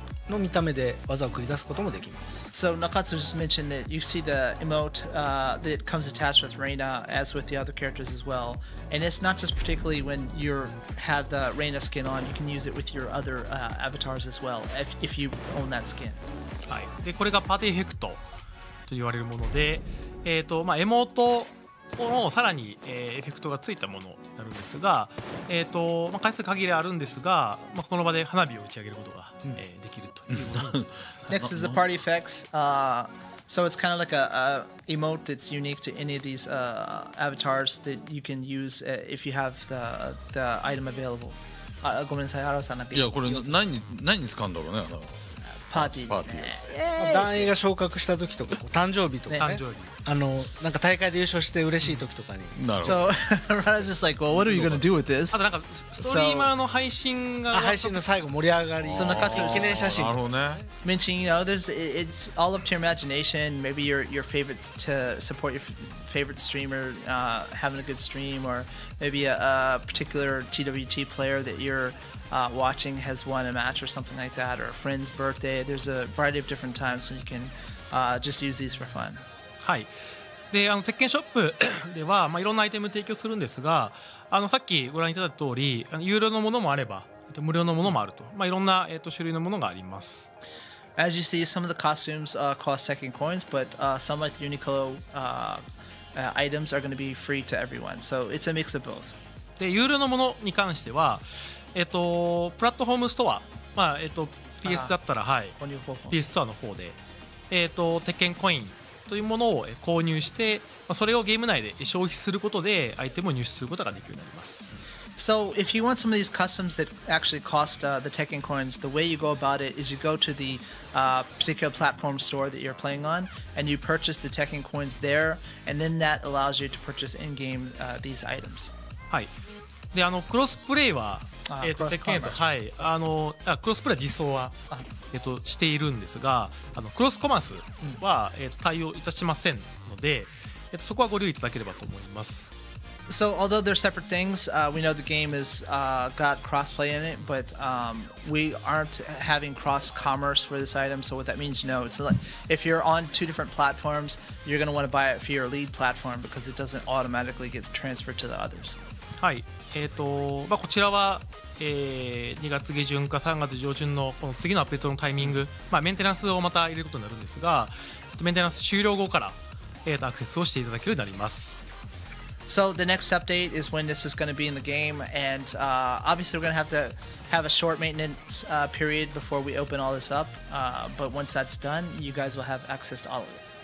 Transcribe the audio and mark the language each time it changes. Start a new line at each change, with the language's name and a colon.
English: So Nakatsu just mentioned that you see the emote that comes attached with Reina as with the other characters as well. And it's not just particularly when you have the Reina skin on, you can use it with your other avatars as well if you own that skin.
Japanese: はい。で、これがパーティーエフェクトと言われるもので、まあ、エモートをさらに、エフェクトがついたものになるんですが、まあ、回数限りあるんですが、まあ、この場で花火を打ち上げることが、できるということ。
English: Next is the party effects. So it's kind of like a emote that's unique to any of these avatars that you can use if you have the item available.
Japanese: ごめんなさい、アロさんなんか。いや、これ何に使うんだろうね。パーティーですね。団員が昇格した時とか、誕生日とかね。誕生日。なんか大会で優勝して嬉しい時とかに。なるほど。
English: So, Rada's just like, well, what are you gonna do with this?
Japanese: あとなんか、ストリーマーの配信が。配信の最後盛り上がり。その中津の記念写真。なるほどね。
English: Mention, you know, it's all up to your imagination. Maybe your favorites to support your favorite streamer having a good stream, or maybe a particular TWT player that you're watching has won a match or something like that, or a friend's birthday. There's a variety of different times when you can just use these for fun.
Japanese: はい、で鉄拳ショップでは、まあ、いろんなアイテム提供するんですが、さっきご覧いただいた通り有料のものもあれば無料のものもあると、まあ、いろんな、種類のものがあります。
English: As you see, some of the costumes cost Tekken coins, but some like the Uniqlo items are going to be free to everyone, so it's a mix of both.
Japanese: で有料のものに関してはプラットフォームストア、まあPS だったら、はい、PS ストアの方で鉄拳コインというものを購入して、それをゲーム内で消費することでアイテムを入手することができるようになります。
English: So if you want some of these customs that actually cost the Tekken coins, the way you go about it is you go to the particular platform store that you're playing on and you purchase the Tekken coins there, and then that allows you to purchase in-game these items.
Japanese: はい。で、クロスプレイは、鉄拳と、はい、クロスプレイ実装は。しているんですが、クロスコマースは、対応いたしませんので、そこはご留意いただければと思います。
English: So although they're separate things, we know the game is got crossplay in it, but we aren't having cross commerce for this item. So what that means, you know, it's like if you're on two different platforms, you're gonna want to buy it for your lead platform because it doesn't automatically get transferred to the others.
Japanese: はい、まあ、こちらは。 2月下旬か3月上旬 の, この次のアップデートのタイミング、まあ、メンテナンスをまた入れることになるんですが、メンテナンス終了後から、アクセスをしていただけるようになります。
English: So the next update is when this is going to be in the game, and obviously we're going to have a short maintenance period before we open all this up, but once that's done, you guys will have access to all of it.